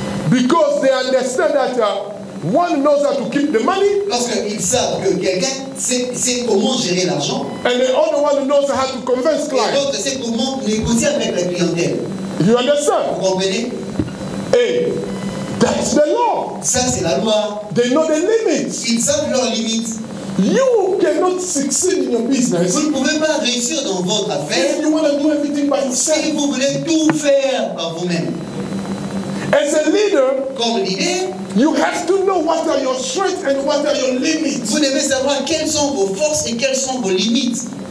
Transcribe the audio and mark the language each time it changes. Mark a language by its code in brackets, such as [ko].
[en] Because they understand that one knows how to keep the money. [fr] Parce qu'ils savent que quelqu'un sait comment gérer l'argent. [en] And the other one knows how to convince clients. [fr] Et l'autre sait comment négocier avec la clientèle. [en] You understand? [fr] Vous comprenez? [en] Hey, that's the law. [fr] Ça c'est la loi. [en] They know the limits. [fr] Ils savent leurs limites. [en] You cannot succeed in your business. [fr] Vous ne pouvez pas réussir dans votre affaire. [en] If you want to do everything by yourself. [fr] Si vous voulez tout faire par vous-même. [en] As a leader, [fr] comme leader, [en] you have to know what are your strengths and what are your limits. [fr] Vous devez savoir quelles sont vos forces et quelles sont vos limites.